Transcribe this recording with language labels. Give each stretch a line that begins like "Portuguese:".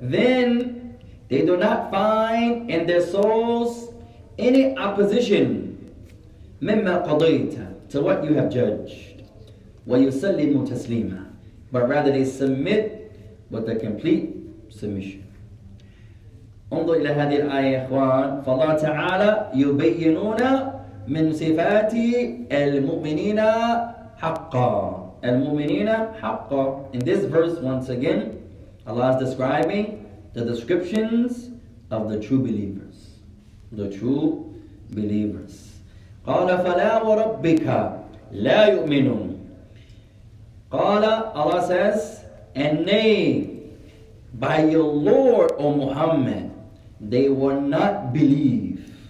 English: Then they do not find in their souls any opposition
Arabic: مِمَّا قَضَيْتَ
English: to what you have judged.
Arabic: وَيُسَلِّمُ تَسْلِيمًا.
English: But rather they submit with a complete submission.
Arabic: انظر إلى هذه الآية إخوان. فالله تعالى يبينون من صفات المؤمنين حقا. Al-mu'minina haqqa.
English: In this verse, once again, Allah is describing the descriptions of the true believers. The true believers.
Arabic: قَالَ فَلَا وَرَبِّكَ لَا يُؤْمِنُونَ.
English: قَالَ, Allah says, and nay, by your Lord, O Muhammad, they will not believe.